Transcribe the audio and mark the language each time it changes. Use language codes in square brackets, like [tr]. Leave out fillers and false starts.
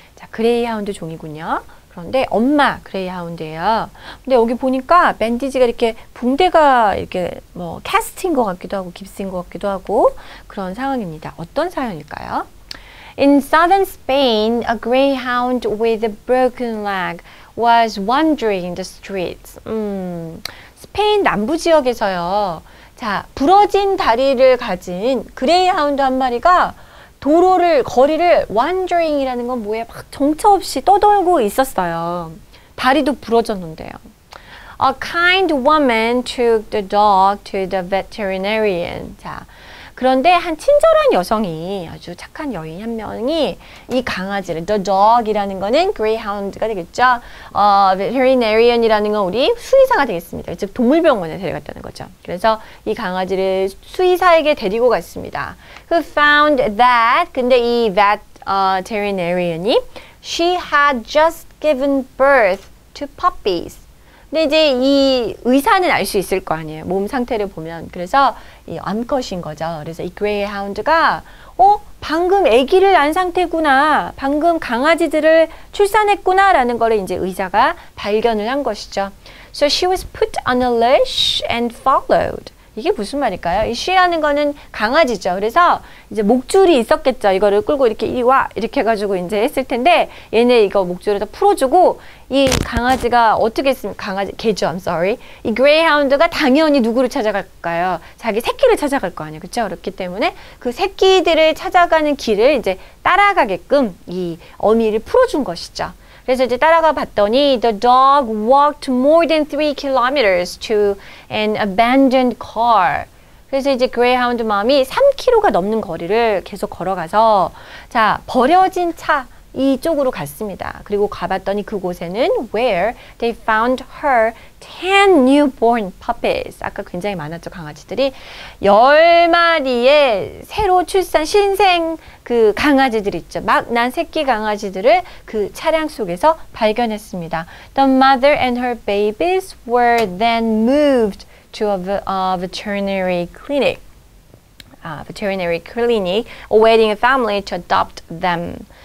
[ko] 자, 그레이하운드 종이군요. 그런데 엄마 그레이하운드예요. 근데 여기 보니까 밴디지가 이렇게 붕대가 이렇게 뭐 캐스트인 것 같기도 하고 깁스인 것 같기도 하고 그런 상황입니다. 어떤 사연일까요? [en] In southern Spain, a greyhound with a broken leg was wandering the streets. [ko] 스페인 남부 지역에서요. 자, 부러진 다리를 가진 그레이하운드 한 마리가 도로를, 거리를 wandering이라는 건 뭐예요? 막 정처 없이 떠돌고 있었어요. 다리도 부러졌는데요. [en] A kind woman took the dog to the veterinarian. [ko] 자, 그런데 한 친절한 여성이, 아주 착한 여인 한 명이 이 강아지를, the dog이라는 거는 greyhound가 되겠죠. Veterinarian이라는 건 우리 수의사가 되겠습니다. 즉 동물병원에 데려갔다는 거죠. 그래서 이 강아지를 수의사에게 데리고 갔습니다. [en] Who found that, [ko] 근데 이 [en] veterinarian이 she had just given birth to puppies. [ko] 근데 이제 이 의사는 알 수 있을 거 아니에요. 몸 상태를 보면. 그래서 이 암컷인 거죠. 그래서 이 그레이하운드가 방금 아기를 낳은 상태구나. 방금 강아지들을 출산했구나 라는 거를 이제 의사가 발견을 한 것이죠. [en] So she was put on a leash and followed. [ko] 이게 무슨 말일까요? 이 she라는 거는 강아지죠. 그래서 이제 목줄이 있었겠죠. 이거를 끌고 이렇게 이리 와 이렇게 해가지고 이제 했을 텐데 얘네 이거 목줄에서 풀어주고 이 강아지가 어떻게 했으면 강아지 개죠. [en] I'm sorry. [ko] 이 greyhound가 당연히 누구를 찾아갈까요? 자기 새끼를 찾아갈 거 아니에요. 그렇죠? 그렇기 때문에 그 새끼들을 찾아가는 길을 이제 따라가게끔 이 어미를 풀어준 것이죠. 그래서 이제 따라가 봤더니 [en] the dog walked more than 3 kilometers to an abandoned car. [ko] 그래서 이제 greyhound 마음이 3km가 넘는 거리를 계속 걸어가서 자 버려진 차 이쪽으로 갔습니다. 그리고 가봤더니 그곳에는 [en] where they found her 10 newborn puppies. [ko] 아까 굉장히 많았죠 강아지들이 10마리의 새로 출산 신생 그 강아지들 있죠. 막 난 새끼 강아지들을 그 차량 속에서 발견했습니다. [en] The mother and her babies were then moved to a veterinary clinic awaiting a family to adopt them.